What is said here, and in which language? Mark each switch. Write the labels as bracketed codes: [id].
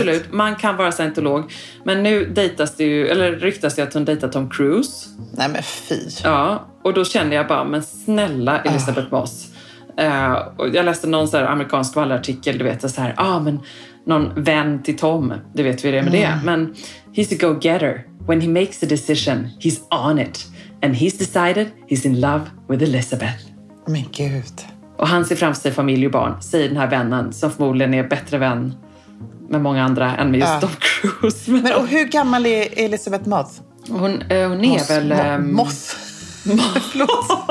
[sv] Absolut, man kan vara scientolog, men nu dejtas det ju, eller ryktas det att hon dejtar Tom Cruise. Nej men fy. Ja, och då känner jag bara, men snälla Elizabeth Moss. Och jag läste någon så här amerikansk valartikel, du vet, så här, men någon vän till Tom, du vet vi det med det. [en] Men he's a go-getter. When he makes a decision, he's on it. And he's decided he's in love with Elizabeth. [sv] Men gud. Och han ser fram sig familj och barn, säger den här vännen, som förmodligen är bättre vän med många andra än med just Tom Cruise. Men och hur gammal är Elizabeth Moss? Hon är Moss, väl... Moss. Moss.